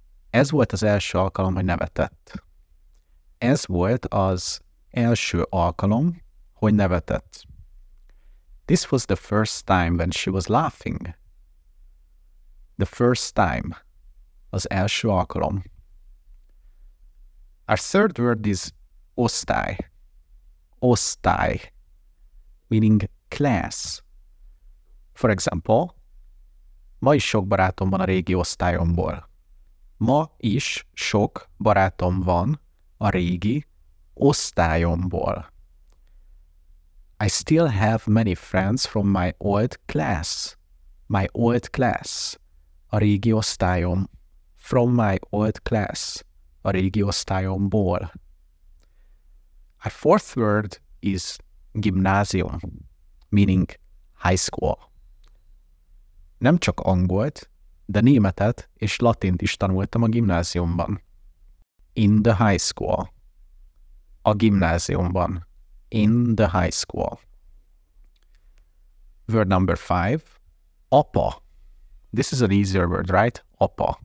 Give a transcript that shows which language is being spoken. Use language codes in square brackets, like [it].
[hu] Ez volt az első alkalom, hogy nevetett. Ez volt az első alkalom, hogy nevetett. [en] This was the first time when she was laughing. The first time. [hu] Az első alkalom. [en] Our third word is osztály. Osztály. Meaning class. For example, [hu] ma is sok barátom van a régi osztályomból. Ma is sok barátom van a régi osztályomból. [en] I still have many friends from my old class. My old class. [hu] A régi osztályom. [en] From my old class. [hu] A régi osztályomból. [en] Our fourth word is gimnázium, meaning high school. [hu] Nem csak angolt, de németet és latint is tanultam a gimnáziumban. [en] In the high school. [hu] A gimnáziumban. [en] In the high school. Word number five. Apa. This is an easier word, right? Apa.